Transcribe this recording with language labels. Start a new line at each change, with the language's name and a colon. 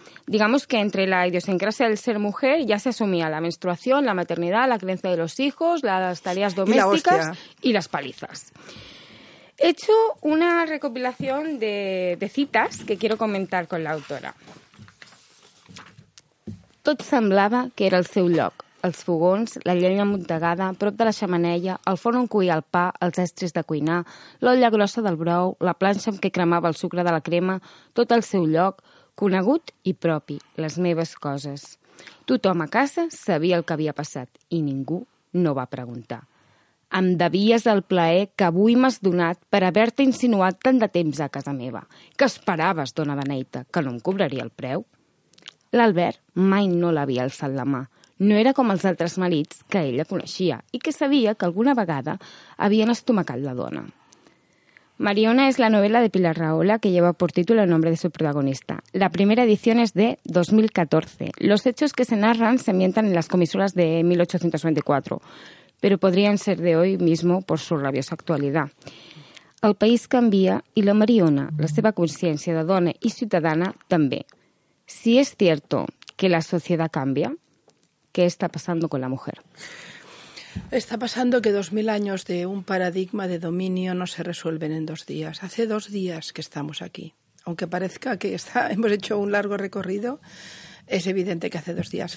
Spanish: Digamos que entre la idiosincrasia del ser mujer ya se asumía la menstruación, la maternidad, la crianza de los hijos, las tareas domésticas y las palizas. He hecho una recopilación de citas que quiero comentar con la autora.
Catalan: Tot semblava que era el seu lloc. Els fogons, la llenya amuntegada, prop de la xamanella, el forn on cuia el pa, els estris de cuinar, l'olla grossa del brou, la planxa amb què cremava el sucre de la crema, tot el seu lloc, conegut i propi, les meves coses. Tothom a casa sabia el que havia passat i ningú no va preguntar. Em devies el plaer que avui m'has donat per haver-te insinuat tant de temps a casa meva. Que esperaves, dona Beneita, que no em cobraria el preu? L'Albert mai no l'havia alçat la mà. No era com els altres marits que ella coneixia i que sabia que alguna vegada havien estomacat la dona.
Spanish: Mariona
Catalan: és la novel·la de
Spanish: Pilar Rahola que lleva por título el nombre de su protagonista. La primera edición es de 2014. Los hechos que se narran se ambientan en las comisuras de 1894, pero podrían ser de hoy mismo por su rabiosa actualidad.
Catalan: El país canvia i la Mariona, la seva consciència de dona i ciutadana, també.
Spanish: Si és cierto que la sociedad cambia, ¿qué está pasando con la mujer? Está pasando que 2000 años de un paradigma de dominio no se resuelven en dos días. Hace dos días que estamos aquí. Aunque parezca que hemos hecho un largo recorrido, es evidente que hace dos días.